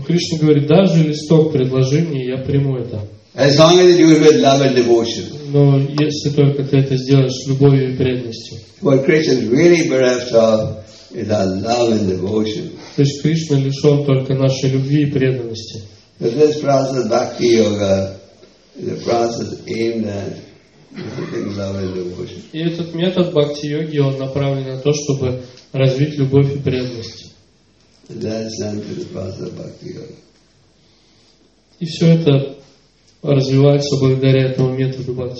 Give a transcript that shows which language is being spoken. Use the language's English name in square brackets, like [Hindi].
[Russian] Кришна говорит, даже листок предложи мне, я приму это. [English] As long as you do it with love and devotion. [Russian] Но если только ты это сделаешь с любовью и преданностью. [English] What Krishna is really bereft of is our love and devotion. [Russian] То есть Кришна лишен только нашей любви и преданности. [English] So this process, bhakti yoga, is a process aimed at developing love and devotion. [Russian] И этот метод бхакти йоги, он направлен на то, чтобы развить любовь и преданность. [English] That's simply the process of bhakti yoga. [Russian] И все это развивается благодаря этому методу